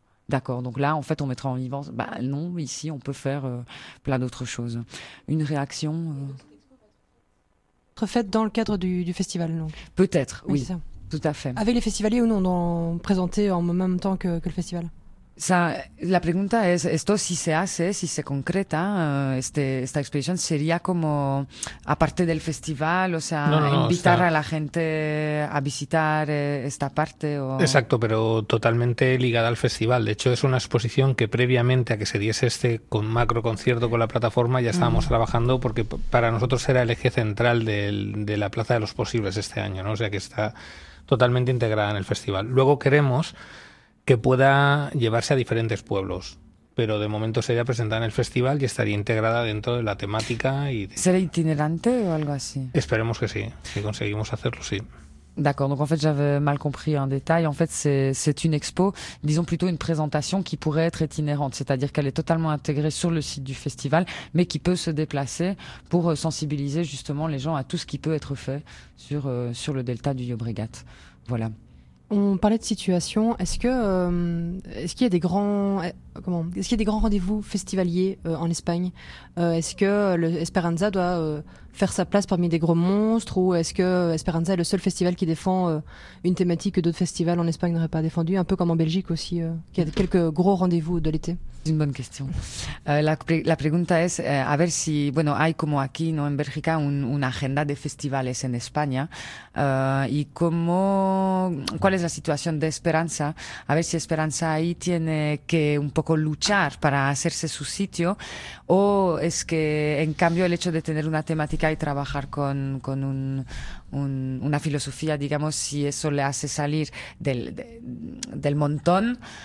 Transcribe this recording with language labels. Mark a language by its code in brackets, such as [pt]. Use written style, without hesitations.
[fr] D'accord, donc là, en fait, on mettra en vivant. Bah non, ici, on peut faire plein d'autres choses. Une réaction Faite dans le cadre du festival, donc. Peut-être, oui, ça. Tout à fait. Avec les festivaliers ou non, présenté en même temps que le festival. [es] Ça, la pregunta es esto si se hace, si se concreta esta exposición sería como aparte del festival, o sea, invitar a la gente a visitar esta parte o... Exacto, pero totalmente ligada al festival. De hecho, es una exposición que previamente a que se diese este con macro concierto con la plataforma ya estábamos trabajando, porque para nosotros era el eje central de la Plaza de los Posibles este año, ¿no? O sea, que está totalmente integrada en el festival. Luego queremos que pueda llevarse a diferentes pueblos, pero de momento sería presentada en el festival y estaría integrada dentro de la temática. ¿Será itinerante o algo así? Esperemos que sí, si conseguimos hacerlo, sí. [fr] D'accord, donc en fait j'avais mal compris un détail. En fait, c'est une expo, disons plutôt une présentation qui pourrait être itinérante, c'est-à-dire qu'elle est totalement intégrée sur le site du festival, mais qui peut se déplacer pour sensibiliser justement les gens à tout ce qui peut être fait sur le delta du Llobregat. Voilà. On parlait de situation. Est-ce qu'il y a des grands rendez-vous festivaliers en Espagne? Est-ce que l'Esperanza doit faire sa place parmi des gros monstres, ou est-ce que Esperanza est le seul festival qui défend une thématique que d'autres festivals en Espagne n'auraient pas défendue, un peu comme en Belgique aussi, qu'il y a quelques gros rendez-vous de l'été? C'est une bonne question. [es] La pregunta es a ver si bueno hay como aquí no en Bélgica una agenda de festivales en España y cómo cuál es la situación de Esperanza, a ver si Esperanza ahí tiene que un poco luchar para hacerse su sitio, o es que en cambio el hecho de tener una temática y trabajar con una filosofía, digamos, si eso le hace salir del montón.